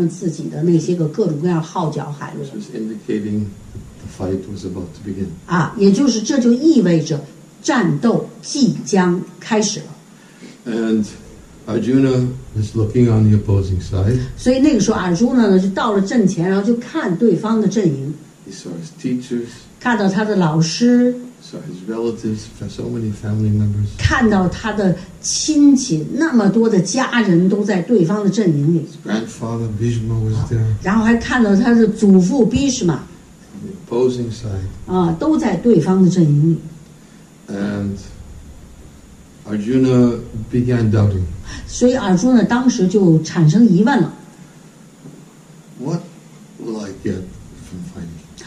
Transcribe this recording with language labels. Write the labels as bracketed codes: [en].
[zh] 双方阵营里头的那些个战将们都开始吹响了他们自己的那些个各种各样号角喊着。 [en] This was indicating the fight was about to begin. [zh] 也就是这就意味着战斗即将开始了。 [en] And Arjuna is looking on the opposing side. [zh] 所以那个时候阿朱呢就到了阵前，然后就看对方的阵营。 [en] He saw his teachers. [zh] 看到他的老师。 [en] Saw his relatives, so many family members. [zh] 看到他的亲戚，那么多的家人都在对方的阵营里。 [en] His grandfather Bhishma was there. [zh] 然后还看到他的祖父Bhishma. [en] The opposing side. [zh] 都在对方的阵营里。 [en] And Arjuna began doubting. [zh] 所以阿朱呢，当时就产生疑问了。 [en] What will I get from fighting?